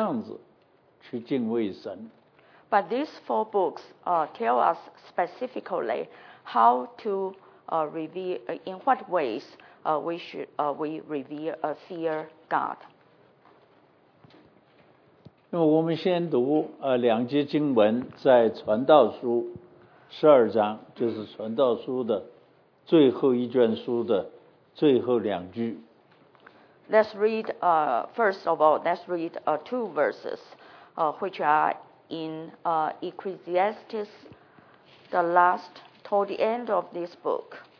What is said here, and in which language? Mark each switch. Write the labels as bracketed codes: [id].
[zh] 这是这几卷书里头告诉我们怎么样子去敬畏神。 [en] But these four books tell us specifically how to in what ways we revere fear God. [zh] 那么我们先读 两节经文在传道书12章, 就是传道书的 最后一卷书的最后两句。 [en] Let's read, first of all, let's read two verses, which are in Ecclesiastes, the last, toward the end of this book.